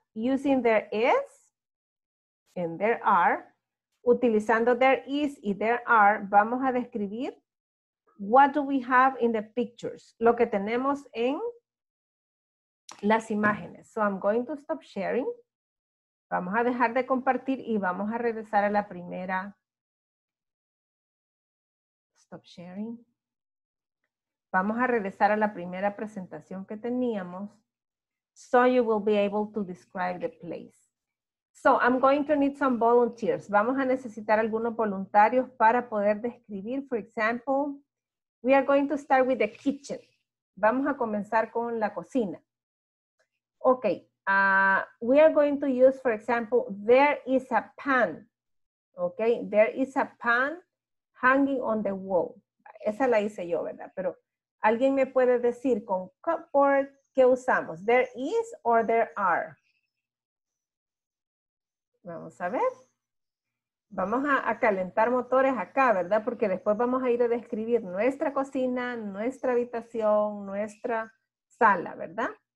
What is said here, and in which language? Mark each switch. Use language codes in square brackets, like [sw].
[en] Using there is and there are, utilizando there is y there are, [es] vamos a describir [en] what do we have in the pictures, [es] lo que tenemos en las imágenes. [en] So, I'm going to stop sharing. [es] Vamos a dejar de compartir y vamos a regresar a la primera. [en] Stop sharing. [es] Vamos a regresar a la primera presentación que teníamos. [en] So you will be able to describe the place. So I'm going to need some volunteers. [es] Vamos a necesitar algunos voluntarios para poder describir. [en] For example, we are going to start with the kitchen. [es] Vamos a comenzar con la cocina. Okay. [en] We are going to use, for example, there is a pan, okay? There is a pan hanging on the wall. [es] Esa la hice yo, ¿verdad? Pero alguien me puede decir con cupboard, ¿qué usamos? [en] There is or there are? [es] Vamos a ver. Vamos a calentar motores acá, ¿verdad? Porque después vamos a ir a describir nuestra cocina, nuestra habitación, nuestra sala, ¿verdad?